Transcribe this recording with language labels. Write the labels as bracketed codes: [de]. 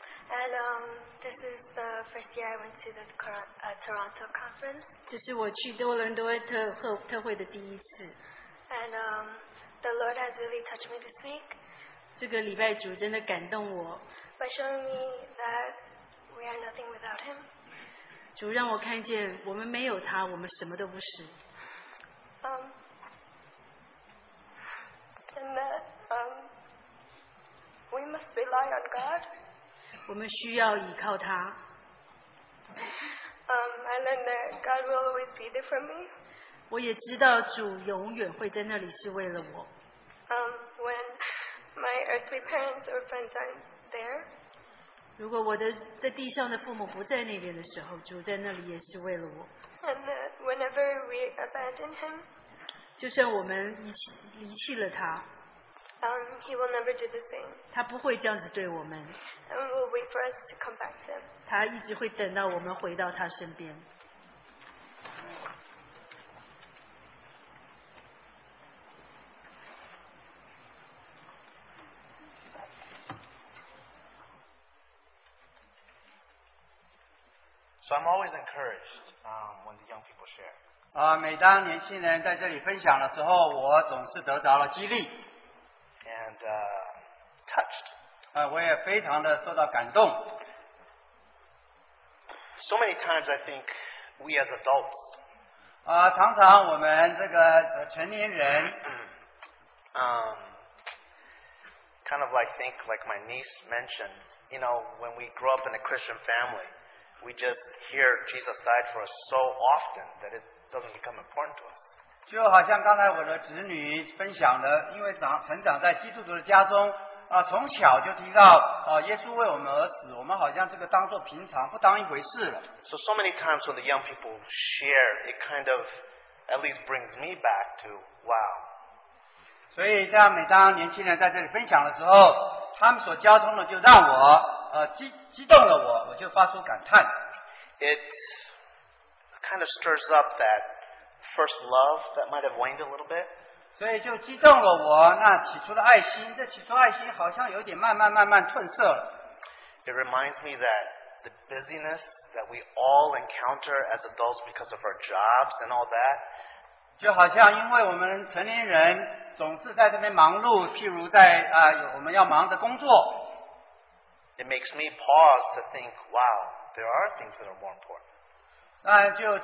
[en] And this is the first year I went to the Toronto conference. [zh] 这是我去多伦多特会的第一次. [en] And the Lord has really touched me this week. [zh] 这个礼拜主真的感动我. [en] By showing me that we are nothing without Him. [zh] 主让我看见我们没有他，我们什么都不是. [en] And that we must rely on God. [zh] 我们需要依靠他。 [en] And then that God will always be there for me. [zh] 我也知道主永远会在那里是为了我。 [en] When my earthly parents or friends aren't there. [zh] 如果我的在地上的父母不在那边的时候， 主在那里也是为了我。 [en] And that whenever we abandon Him. [zh] 就算我们离弃了他。 [en] He will never do the same. [zh] 他不会这样子对我们。 [en] And will wait for us to come back to Him. [zh] 他一直会等到我们回到他身边。 [en] So I'm always encouraged when the young people share. [zh] 每当年轻人在这里分享的时候，我总是得着了激励。 [en] And touched. [zh] 我也非常的受到感动。 [en] So many times I think we as adults, [zh] 常常我们这个成年人, [en] kind of like think, like my niece mentioned, you know, when we grow up in a Christian family, we just hear Jesus died for us so often that it doesn't become important to us. [zh] 就好像刚才我的侄女分享的，因为长成长在基督徒的家中，从小就提到耶稣为我们而死，我们好像这个当作平常，不当一回事了。 [en] So many times when the young people share, it kind of at least brings me back to wow. [zh] 所以当每当年轻人在这里分享的时候，他们所交通的就让我激动了我，我就发出感叹。 [en] It kind of stirs up that first love that might have waned a little bit. [zh] 所以就激动了我那起初的爱心，这起初爱心好像有点慢慢慢慢褪色了。It [en] reminds me that the busyness that we all encounter as adults because of our jobs and all that. [zh] 就好像因为我们成年人总是在这边忙碌，譬如在我们要忙的工作。 [en] It makes me pause to think, wow, there are things that are more important.